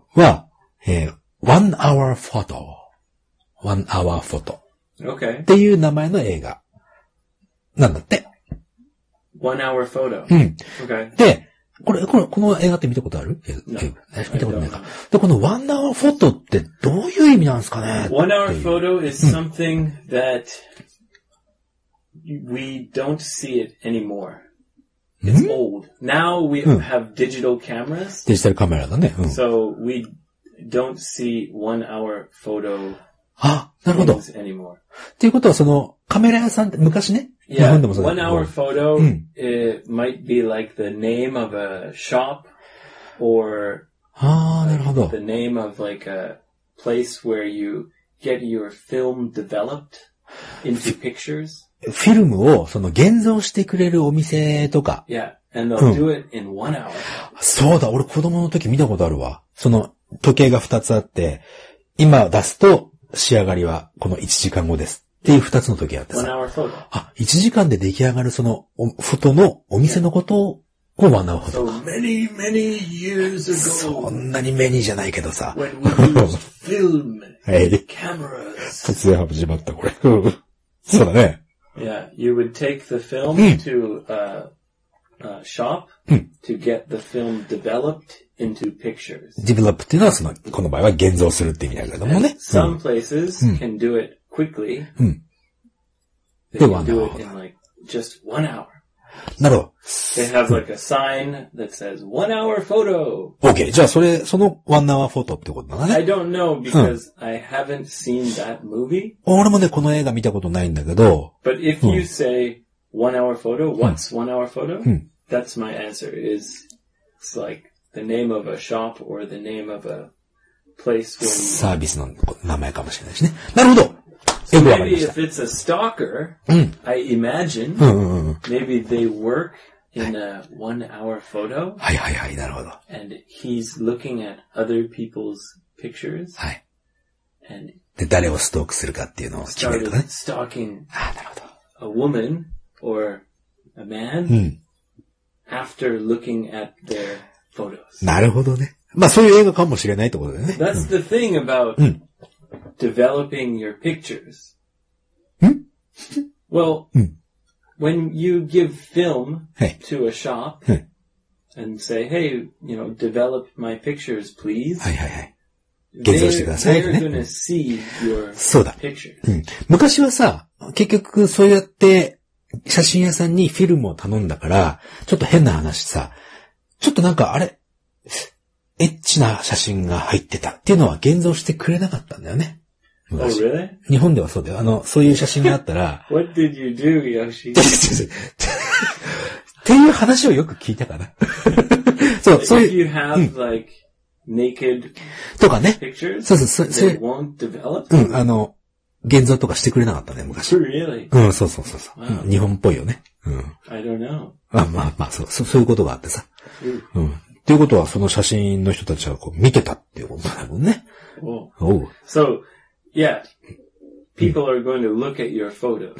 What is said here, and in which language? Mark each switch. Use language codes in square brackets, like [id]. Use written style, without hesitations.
[ja] は、one hour photo、 [en] okay. [ja] っていう名前の映画なんだって。 [en] one hour photo。 [ja] うん。 [en] Okay. [ja] で、この映画って見たことある？見たことないか。で、この one hour photo ってどういう意味なんですかね [en] ？One hour photo is something that we don't see it anymore. It's old. Now we have digital cameras. [ja] デジタルカメラだね。うん、 [en] so we don't see one hour photo. [ja] あ、なるほど。 [en] anymore. [ja] ということはそのカメラ屋さんって昔ね。 [en] Yeah. [ja] 日本でもそうだ。 [en] One hour photo. It might be like the name of a shop or the name of like a place where you get your film developed into pictures. [ja] フィルムをその現像してくれるお店とか、 [en] yeah. And they'll do it in one hour. [ja] そうだ、俺子供の時見たことあるわ。その時計が二つあって、今出すと仕上がりはこの1時間後ですっていう二つの時計あってさ、 [en] one hour photo. [ja] あ、1時間で出来上がるそのフォトのお店のことを one hour photo か。 [en] So many many years ago. [ja] そんなにメニーじゃないけどさ。 [en] When we used film cameras. [ja] 突然始まったこれ。そうだね。 [en] Yeah, you would take the film to a shop to get the film developed into pictures. [ja] Develop っていうのはその、この場合は現像するって意味だけどもね。 [en] And、some places can do it quickly. They can do it in like just one hour. [ja] なるほど。 [en] They have like a sign that says one hour photo. [ja] Okay, じゃあその one hour photo ってことだね。 [en] I don't know because I haven't seen that movie. [ja] 俺もね、この映画見たことないんだけど。 [en] But if you say one hour photo, what's one hour photo? That's my answer. It's like the name of a shop or the name of a place where you... [ja] サービスの名前かもしれないしね。なるほど。 [en] So maybe if it's a stalker, I imagine maybe they work in a one-hour photo. [ja] はいはいはい、なるほど。 [en] And he's looking at other people's pictures. [ja] はい。 [en] And [ja] で誰をストークするかっていうのを決めるとね。 [en] Started stalking [ja] なるほど。 [en] A woman or a man after looking at their photos. [ja] なるほどね。まあそういう映画かもしれないってことだよね。 [en] That's the thing about. Developing your pictures. Well, when you give film to a shop and say, hey, you know, develop my pictures, please. [ja] はいはいはい。現像してください。 [en] They're gonna see your pictures. [ja] そうだ。昔はさ、結局そうやって写真屋さんにフィルムを頼んだから、ちょっと変な話さ、ちょっとなんかあれ、エッチな写真が入ってたっていうのは現像してくれなかったんだよね。 [en] Oh, really? [ja] 日本ではそうだよ。そういう写真があったら。 [en] What did you do, Yoshi? [ja] っていう話をよく聞いたかな。そう、そういう。 [en] If you have, like, naked [ja] とかね。 [en] Pictures, [ja] そうそう、そういう。 [en] They won't develop? [ja] 現像とかしてくれなかったね、昔。 [en] Really? [ja] そうそうそう。Wow. 日本っぽいよね。 [en] I don't know. [ja] そういうことがあってさ。っていうことは、その写真の人たちはこう見てたっていうことだもんね。 [en] Oh. So,Yeah, people are going to look at your photos.